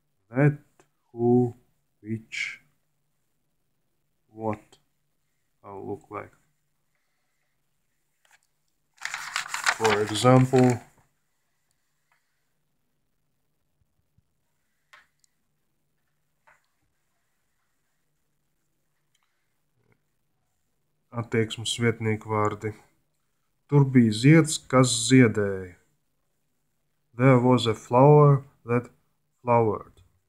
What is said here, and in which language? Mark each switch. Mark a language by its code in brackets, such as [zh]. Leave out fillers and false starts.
[en] That, who, which, what, I'll look like. For example, [lv] attieksmes vietnieku vārdi. Tur bija zieds, kas ziedēja. [en] There was a flower that flowered.